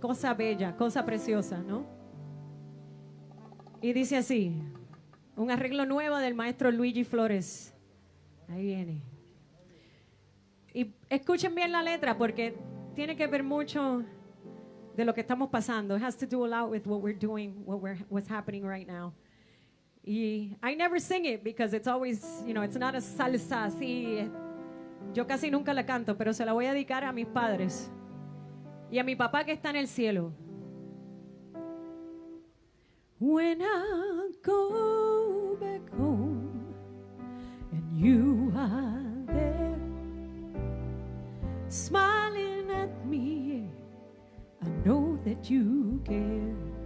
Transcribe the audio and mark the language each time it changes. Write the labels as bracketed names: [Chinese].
[Spanish] Cosa bella, cosa preciosa, ¿no? Y dice así, un arreglo nuevo del maestro Luigi Flores. Ahí viene. Y escuchen bien la letra porque tiene que ver mucho de lo que estamos pasando. [English] It has to do a lot with what we're doing, what's happening right now. Y I never sing it because it's always, you know, it's not a salsa así. [Spanish] Yo casi nunca la canto, pero se la voy a dedicar a mis padres y a mi papá que está en el cielo. [English] When I go back home and you are there smiling at me, yeah, I know that you care.